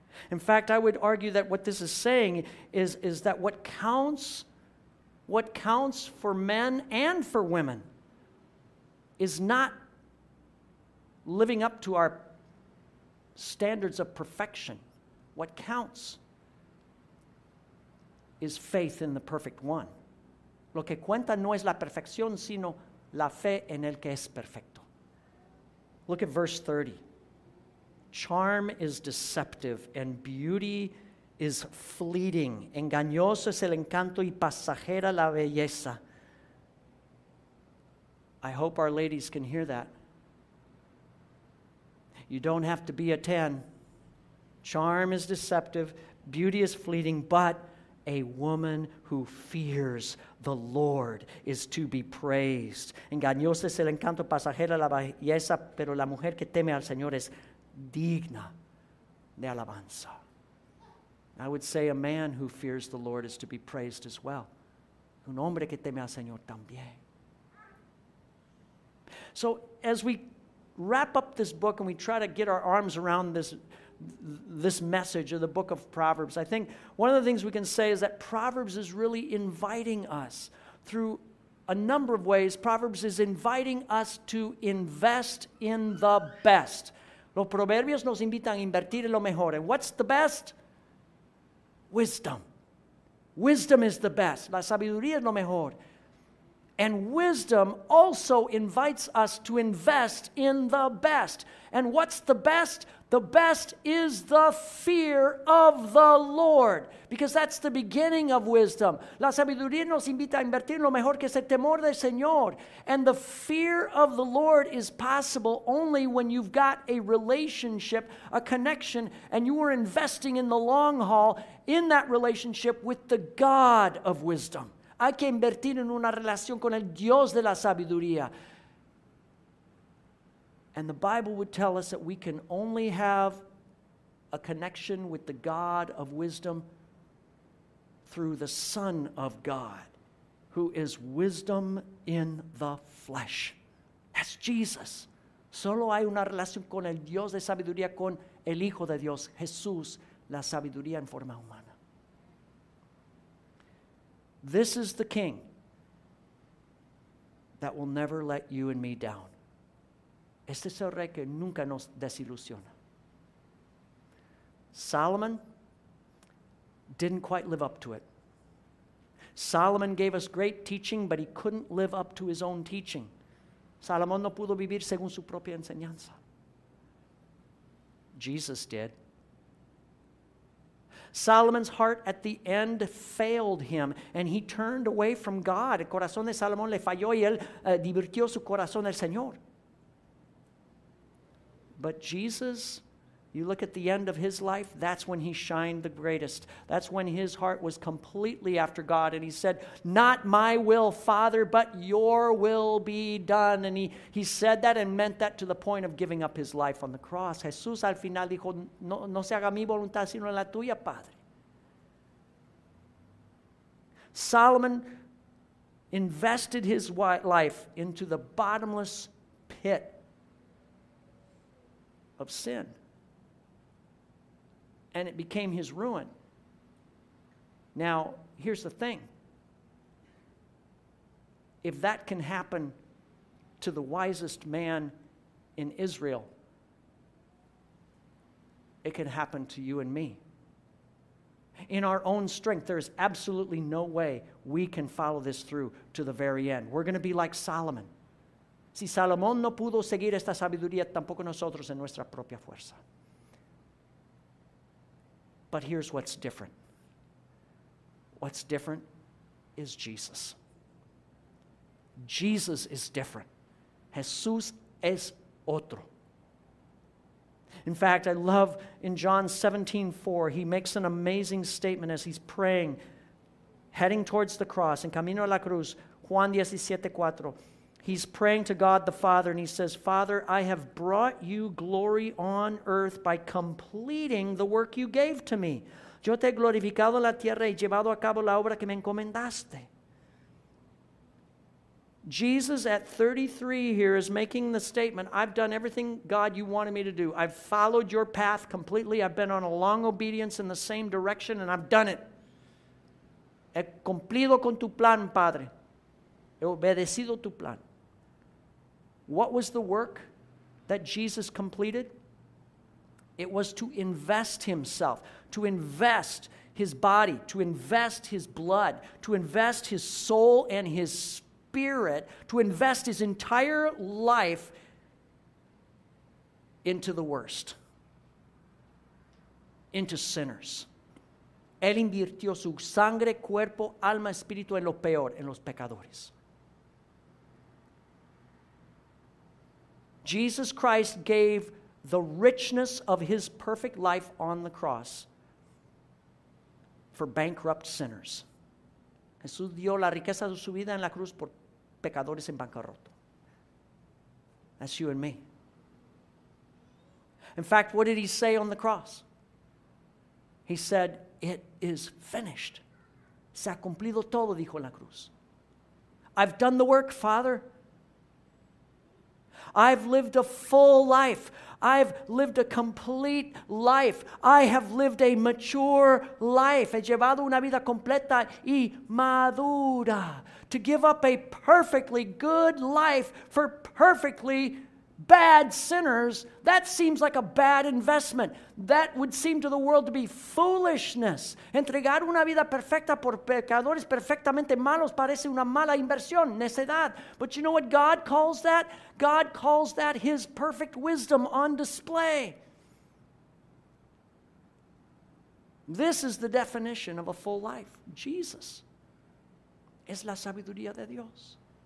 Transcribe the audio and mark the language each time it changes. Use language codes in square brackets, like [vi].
[en] In fact, I would argue that what this is saying is that what counts for men and for women is not living up to our standards of perfection. What counts is faith in the perfect one. [es] Lo que cuenta no es la perfección, sino la fe en el que es perfecto. [en] Look at verse 30. Charm is deceptive and beauty is fleeting. [es] Engañoso es el encanto y pasajera la belleza. [en] I hope our ladies can hear that. You don't have to be a 10. Charm is deceptive, beauty is fleeting, but a woman who fears the Lord is to be praised. [es] Engañosa es el encanto, pasajera la belleza, pero la mujer que teme al Señor es digna de alabanza. [en] I would say a man who fears the Lord is to be praised as well. [es] Un hombre que teme al Señor también. [en] So as we wrap up this book and we try to get our arms around this message of the book of Proverbs, I think one of the things we can say is that Proverbs is really inviting us through a number of ways. Proverbs is inviting us to invest in the best. [es] Los proverbios nos invitan a invertir en lo mejor. [en] And what's the best? Wisdom. Wisdom is the best. [es] La sabiduría es lo mejor. [en] And wisdom also invites us to invest in the best. And what's the best? The best is the fear of the Lord, because that's the beginning of wisdom. [es] La sabiduría nos invita a invertir lo mejor que es el temor del Señor. [en] And the fear of the Lord is possible only when you've got a relationship, a connection, and you are investing in the long haul in that relationship with the God of wisdom. [es] Hay que invertir en una relación con el Dios de la sabiduría. [en] And the Bible would tell us that we can only have a connection with the God of wisdom through the Son of God, who is wisdom in the flesh. That's Jesus. [es] Solo hay una relación con el Dios de sabiduría, con el Hijo de Dios, Jesús, la sabiduría en forma humana. [en] This is the King that will never let you and me down. [es] Este es el rey que nunca nos desilusiona. [en] Solomon didn't quite live up to it. Solomon gave us great teaching, but he couldn't live up to his own teaching. [es] Salomón no pudo vivir según su propia enseñanza. [en] Jesus did. Solomon's heart at the end failed him, and he turned away from God. [es] El corazón de Salomón le falló y él divirtió su corazón del Señor. [en] But Jesus, you look at the end of his life, that's when he shined the greatest. That's when his heart was completely after God. And he said, not my will, Father, but your will be done. And he said that and meant that to the point of giving up his life on the cross. [es] Jesús al final dijo, no se haga mi voluntad, sino la tuya, Padre. [en] Solomon invested his life into the bottomless pit of sin, and it became his ruin. Now, here's the thing. If that can happen to the wisest man in Israel, it can happen to you and me. In our own strength, there is absolutely no way we can follow this through to the very end. We're going to be like Solomon. [es] Si Salomón no pudo seguir esta sabiduría, tampoco nosotros en nuestra propia fuerza. [en] But here's what's different. What's different is Jesus. Jesus is different. [es] Jesús es otro. [en] In fact, I love in John 17:4, he makes an amazing statement as he's praying, heading towards the cross, [es] en camino a la cruz, Juan 17:4. [en] He's praying to God the Father, and he says, Father, I have brought you glory on earth by completing the work you gave to me. [es] Yo te he glorificado en la tierra y llevado a cabo la obra que me encomendaste. [en] Jesus at 33 here is making the statement, I've done everything, God, you wanted me to do. I've followed your path completely. I've been on a long obedience in the same direction, and I've done it. [es] He cumplido con tu plan, Padre. He obedecido tu plan. [en] What was the work that Jesus completed? It was to invest himself, to invest his body, to invest his blood, to invest his soul and his spirit, to invest his entire life into the worst, into sinners. [es] Él invirtió su sangre, cuerpo, alma, espíritu en lo peor, en los pecadores. [en] Jesus Christ gave the richness of his perfect life on the cross for bankrupt sinners. [es] Jesús dio la riqueza de su vida en la cruz por pecadores en bancarrota. [en] That's you and me. In fact, what did he say on the cross? He said, it is finished. [es] Se ha cumplido todo, dijo en la cruz. [en] I've done the work, Father. I've lived a full life. I've lived a complete life. I have lived a mature life. [es] He llevado una vida completa y madura. [en] To give up a perfectly good life for perfectly bad sinners, that seems like a bad investment. That would seem to the world to be foolishness. [es] Entregar una vida perfecta por pecadores perfectamente malos parece una mala inversión, necedad. [en] But you know what God calls that? God calls that His perfect wisdom on display. This is the definition of a full life. [es] Jesus es la sabiduría de Dios.